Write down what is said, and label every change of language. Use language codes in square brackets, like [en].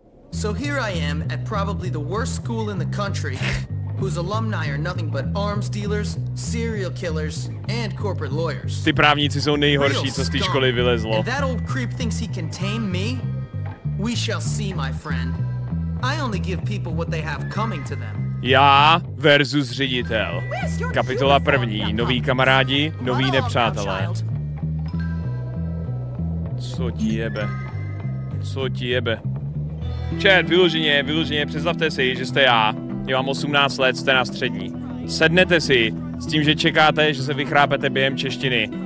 [en] So here I am at probably the worst school in the country, whose alumni are nothing but arms dealers, serial killers, and corporate lawyers. [cs] Ty právníci jsou nejhorší, co z té školy vylezlo. [en] And that old creep thinks he can tame me? We shall see, my friend. I only give people what they have coming to them. [cs] Já versus ředitel. Kapitola první. Noví kamarádi, noví nepřátelé. Co ti jebe? Co ti jebe? Čet, vyloženě, představte si, že jste já. Je vám 18 let, jste na střední. Sednete si s tím, že čekáte, že se vychrápete během češtiny.